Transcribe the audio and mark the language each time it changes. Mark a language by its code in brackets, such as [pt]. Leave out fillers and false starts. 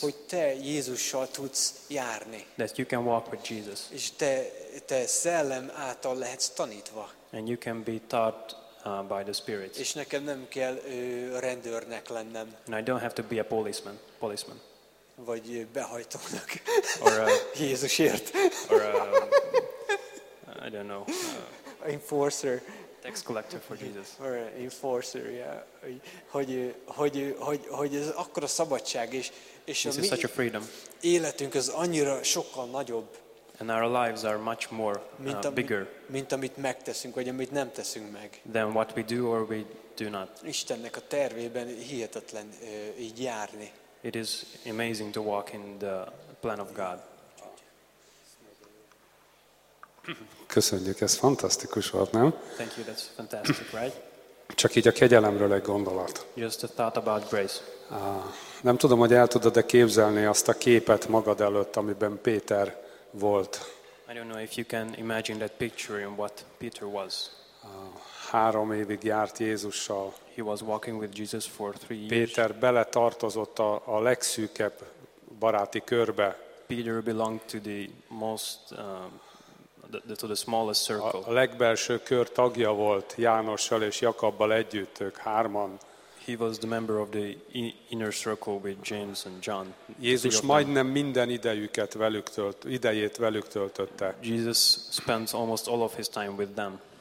[hu] Hogy te Jézussal tudsz járni. [en] That you can walk with Jesus. [hu] És te szellem által lehetsz tanítva. [en] And you can be taught by the Spirit. [hu] És nekem nem kell rendőrnek lennem. [en] And I don't have to be a policeman. [hu] Vagy behajtónak. [en] Or [hu] Jézusért. [en] Or I don't know. Enforcer. Tax collector for Jesus. Or enforcer, yeah. [hu] Hogy ez akkora szabadság és [en] this is such a freedom. [hu] Életünk az annyira sokkal nagyobb. [en] And our lives are much more bigger. [hu] Mint amit megteszünk vagy amit nem teszünk meg. [en] Than what we do or we do not. [hu] Istennek a tervében hihetetlen így járni. [en] It is amazing to walk in the plan of God. [hu] Köszönjük, ez fantasztikus volt, nem? [en] Thank you, that's fantastic, right? [hu] Csak így a kegyelemről egy gondolat. [en] Just a thought about grace. [hu] Nem tudom, hogy el tudod-e képzelni azt a képet magad előtt, amiben Péter volt. [en] I don't know if you can imagine that picture in what Peter was. [hu] 3 évig járt Jézussal. [en] He was walking with Jesus for 3 years. [hu] Péter beletartozott a legszűkebb baráti körbe. [en] Peter belonged to the most to the smallest circle. [hu] A legbelső kör tagja volt Jánossal és Jakabbal együtt, ők hárman. [en] He was the member of the inner circle with James and John. [hu] Jézus majdnem minden idejét velük töltötte. [en] Jesus spent almost all of his time with them.